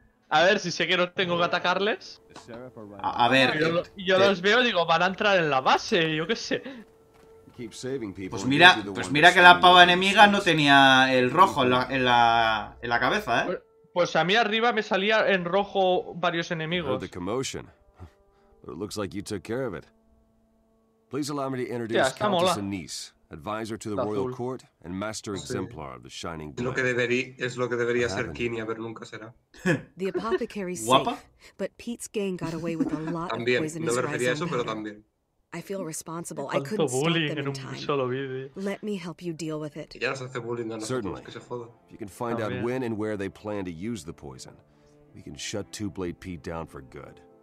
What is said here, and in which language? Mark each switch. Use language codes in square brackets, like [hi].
[es] A ver, si sé que no tengo que atacarles. A ver. Yo los veo y digo, van a entrar en la base, yo qué sé. Pues mira que la pava enemiga no tenía el rojo en la cabeza, ¿eh? Pues a mí arriba me salía en rojo varios enemigos. [en] It looks like you took care of it. Please allow me to introduce Countess Anise, advisor to the royal court and master exemplar of the Shining Blade. [es] Es lo que debería ser Kinia, pero nunca será. [en] The apothecary's safe, but Pete's gang got away with a lot of poisonous rhizome powder. I feel responsible. I couldn't stop them in time. Let me help you deal with it. Certainly. If you can find out when and where they plan to use the poison, we can shut Two Blade Pete down for good.